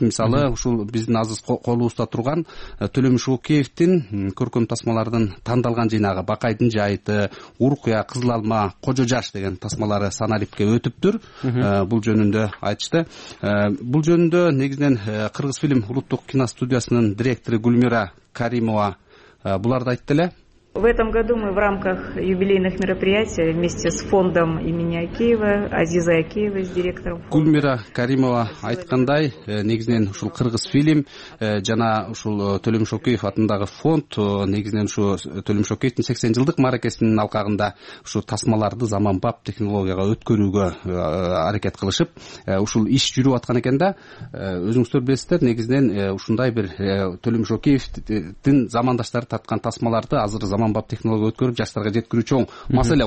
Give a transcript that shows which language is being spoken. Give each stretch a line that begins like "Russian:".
Kyrgyz: Мисалы ушул биздин азыр колубузда турган Төлөмүш Океевдин көркөм тасмалардын тандалган жыйнагы, Бакайдын жайыты, Уркуя, Кызыл алма, Кожо жаш деген тасмалары санарипке өтүптүр. Бул жөнүндө айтышты. Бул жөнүндө негизинен кыргыз фильм улуттук киностудиясынын директору Гүлмира Каримова булар да айтты эле.
Russian: В этом году мы в рамках юбилейных мероприятий вместе с фондом имени Акеева, Азиза Акеева, с директором фонда.
Kyrgyz: Гүлмира Каримова айткандай, негизинен ушул кыргыз фильм жана ушул Төлөмүш Океев атындагы фонд негизинен ушу Төлөмүш Океевдин 80 жылдык мааракесинин алкагында ушул тасмаларды заманбап технологияга өткөрүүгө аракет кылышып, ушул иш жүрүп аткан экен да, өзүңүздөр билесиздер, негизинен ушундай бир Төлөмүш Океевдин замандаштары тарткан тасмаларды азыр заманбап технология өткөрүп жаштарга жеткирүү чоң маселе.